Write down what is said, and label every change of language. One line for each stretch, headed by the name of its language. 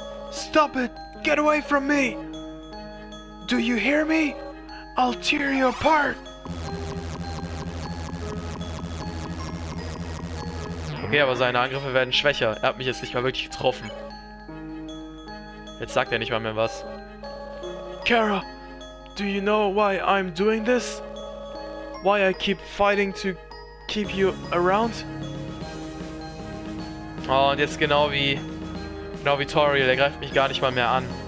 English: Stop it, get away from me. Do you hear me? I'll tear you apart!
German: Okay, aber seine Angriffe werden schwächer. Er hat mich jetzt nicht mal wirklich getroffen. Jetzt sagt er nicht mal mehr was.
English: Kara, do you know why I'm doing this? Why I keep fighting to keep you around?
German: Oh, und jetzt genau wie Toriel, er greift mich gar nicht mal mehr an.